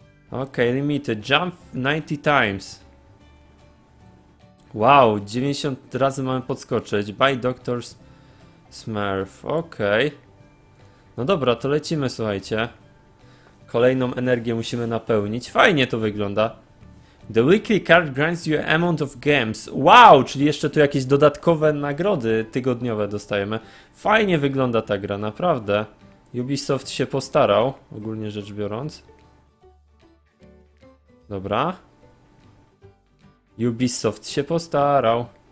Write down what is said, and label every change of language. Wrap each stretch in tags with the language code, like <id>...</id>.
<en>Okay, limited. Jump 90 times.</en> <pl>Wow, 90 razy mamy podskoczyć. By Dr. Smurf. Okej. No dobra, to lecimy, słuchajcie. Kolejną energię musimy napełnić. Fajnie to wygląda.</pl> <en>The weekly card grants you amount of games.</en> <pl>Wow, czyli jeszcze tu jakieś dodatkowe nagrody tygodniowe dostajemy. Fajnie wygląda ta gra, naprawdę. Ubisoft się postarał, ogólnie rzecz biorąc. Dobra. Ubisoft się postarał.</pl>